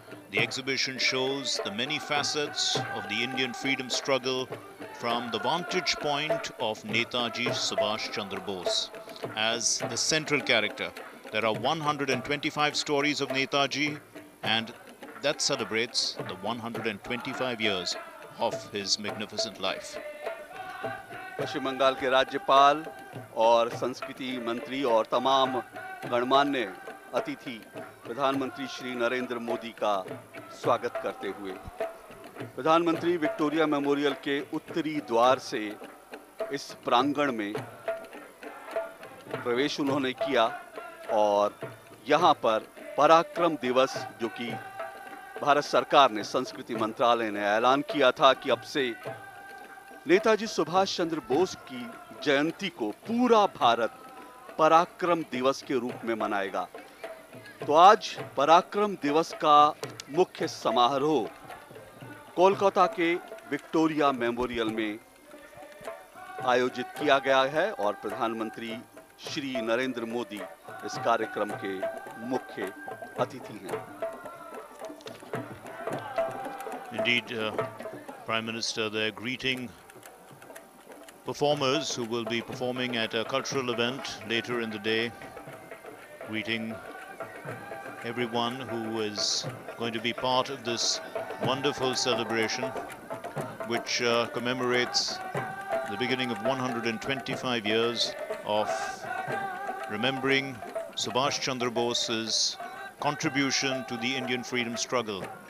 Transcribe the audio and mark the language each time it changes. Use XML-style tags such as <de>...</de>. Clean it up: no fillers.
<en>The exhibition shows the many facets of the Indian freedom struggle from the vantage point of Netaji Subhash Chandra Bose as the central character. There are 125 stories of Netaji, and that celebrates the 125 years of his magnificent life.</en> <hi>पश्चिम बंगाल के राज्यपाल और संस्कृति मंत्री और तमाम गणमान्य अतिथि प्रधानमंत्री श्री नरेंद्र मोदी का स्वागत करते हुए प्रधानमंत्री विक्टोरिया मेमोरियल के उत्तरी द्वार से इस प्रांगण में प्रवेश उन्होंने किया और यहां पर पराक्रम दिवस जो कि भारत सरकार ने संस्कृति मंत्रालय ने ऐलान किया था कि अब से नेताजी सुभाष चंद्र बोस की जयंती को पूरा भारत पराक्रम दिवस के रूप में मनाएगा तो आज पराक्रम दिवस का मुख्य समारोह कोलकाता के विक्टोरिया मेमोरियल में आयोजित किया गया है और प्रधानमंत्री श्री नरेंद्र मोदी इस कार्यक्रम के मुख्य अतिथि हैं</hi> <en>Indeed prime minister the greeting performers who will be performing at a cultural event later in the day, greeting everyone who is going to be part of this wonderful celebration, which commemorates the beginning of 125 years of remembering Subhash Chandra Bose's contribution to the Indian freedom struggle.</en>